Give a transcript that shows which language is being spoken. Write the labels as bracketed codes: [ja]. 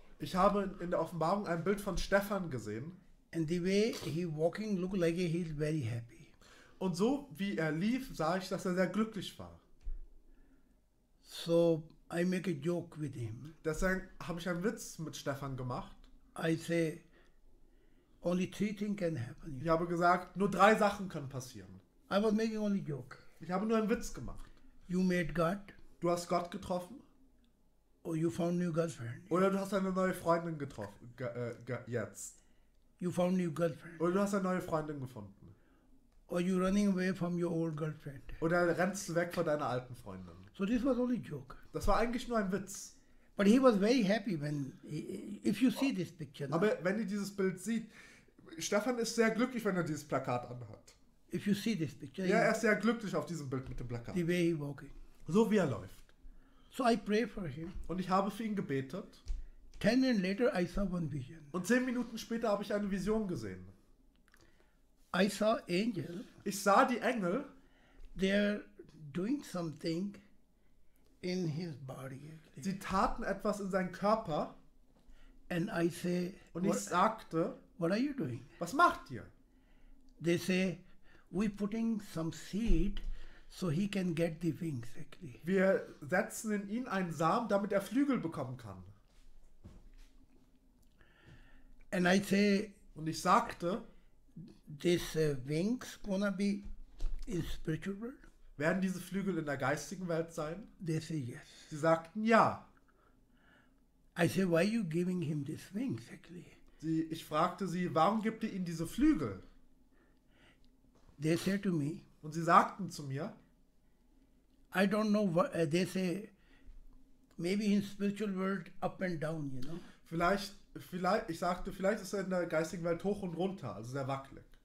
[de] Ich habe in der Offenbarung ein Bild von Stefan gesehen. [en] And the way he walking looked like he's very happy. [de] Und so wie er lief, sah ich, dass er sehr glücklich war. [en] So I make a joke with him. [de] Deswegen habe ich einen Witz mit Stefan gemacht. [en] I say, only three things can happen. [de] Ich habe gesagt, nur drei Sachen können passieren. [en] I was making only joke. [de] Ich habe nur einen Witz gemacht. [en] You made God. [de] Du hast Gott getroffen. [en] Or you found new girlfriend. [de] Oder du hast eine neue Freundin getroffen. Jetzt. [en] You found new girlfriend. [de] Oder du hast eine neue Freundin gefunden. [en] Or you running away from your old girlfriend. [de] Oder rennst du weg von deiner alten Freundin. [en] So this was only joke. [de] Das war eigentlich nur ein Witz. [en] But he was very happy when, if you see this picture. [de] Aber wenn ihr dieses Bild seht, Stefan ist sehr glücklich, wenn er dieses Plakat anhat. [en] If you see this picture. [de] Ja, er ist sehr glücklich auf diesem Bild mit dem Plakat. [en] The way he walking. [de] So wie er läuft. [en] So I pray for him. [de] Und ich habe für ihn gebetet. [en] 10 minutes later I saw one vision. [de] Und 10 Minuten später habe ich eine Vision gesehen. [en] I saw angel. [de] Ich sah die Engel. [en] They're doing something. In his body. [de] Sie taten etwas in seinen Körper. [en] And I say, [de] und ich sagte, [en] what are you doing? [de] Was macht ihr? [en] They say, we putting some seed, so he can get the wings. [de] Wir setzen in ihn einen Samen, damit er Flügel bekommen kann. [en] And I say, [de] und ich sagte, [en] these wings gonna be in spiritual world. [de] Werden diese Flügel in der geistigen Welt sein? [en] They say yes. [de] Sie sagten ja. [en] I say, why are you giving him this wing exactly? [de] Ich fragte sie, warum gibt ihr ihm diese Flügel? [en] They said to me. [de] Und sie sagten zu mir. [en] I don't know. They say, maybe in spiritual world up and down, you know. [de] Vielleicht. Ich sagte, vielleicht ist er in der geistigen Welt hoch und runter, also sehr wackelig.